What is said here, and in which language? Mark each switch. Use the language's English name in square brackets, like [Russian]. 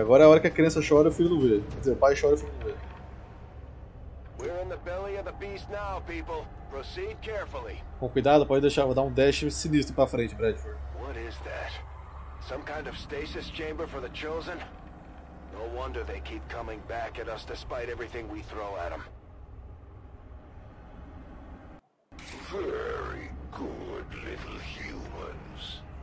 [Portuguese] Agora é a hora que a criança chora e o filho não vê. Quer dizer, o pai chora e o filho não vê. [English] We're in the belly of the beast now, people. Proceed carefully. [Portuguese] Com cuidado, pode deixar. Vou dar um dash sinistro pra frente, Bradford. [English] What is that? Some kind of stasis chamber for the chosen? No wonder they keep coming back at us despite everything we throw at them. Very good, little humans.